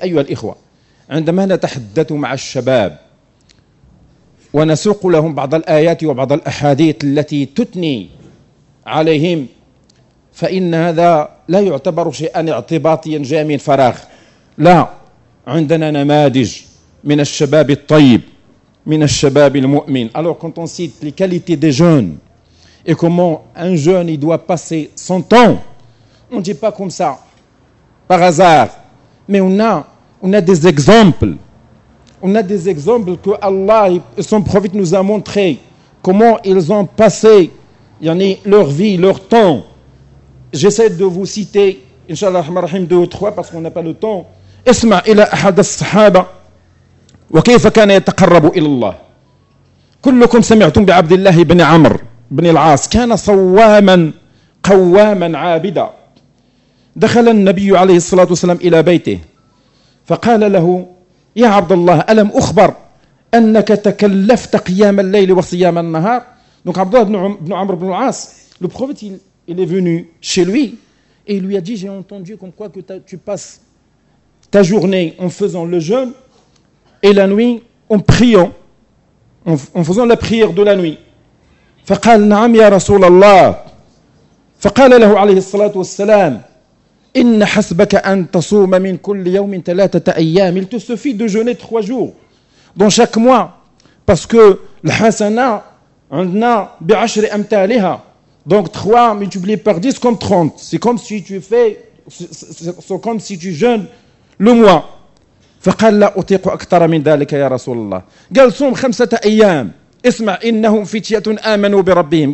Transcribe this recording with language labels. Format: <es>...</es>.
<ar>أيها الإخوة، عندما نتحدث مع الشباب ونسوق لهم بعض الآيات وبعض الأحاديث التي تثني عليهم فإن هذا لا يعتبر شيئا اعتباطيا جاي من فراغ. لا، عندنا نماذج من الشباب الطيب، من الشباب المؤمن.</ar> <fr>Alors quand on cite les qualités des jeunes et comment un jeune il doit passer son temps, on ne dit pas comme ça par hasard, mais on a des exemples. On a des exemples que Allah et son prophète nous a montré comment ils ont passé يعني leur vie, leur temps. J'essaie de vous citer, inshallah, rahim, deux ou trois parce qu'on n'a pas le temps.</fr> <ar>اسمع الى احد الصحابه وكيف كان يتقرب الى الله. كلكم سمعتم بعبد الله بن عمرو بن العاص كان صواما قواما عابدا. دخل النبي عليه الصلاة والسلام إلى بيته فقال له يا عبد الله ألم أخبر أنك تكلفت قيام الليل وصيام النهار.</ar> <fr>دونك عبد الله بن عمرو بن العاص لو بروفيت il est venu chez lui et il lui a dit j'ai entendu comme quoi que tu passes ta journée en faisant le jeûne et la nuit en priant en faisant la prière de la nuit.</fr> <ar>فقال نعم يا رسول الله. فقال له عليه الصلاة والسلام إن حسبك أن تصوم من كل يوم ثلاثة أيام.</ar> <fr>Il te suffit de jeûner trois jours dans chaque mois parce que</fr> <ar>الحسنة عندنا بعشر أمثالها.</ar> <fr>Donc trois multiplié par dix comme trente. C'est comme si tu fais, c'est comme si tu jeûnes le mois.</fr> <ar>فقال لا أطيق أكثر من ذلك يا رسول الله. قال صوم خمسة أيام. اسمع إنهم فتية آمنوا بربهم.</ar>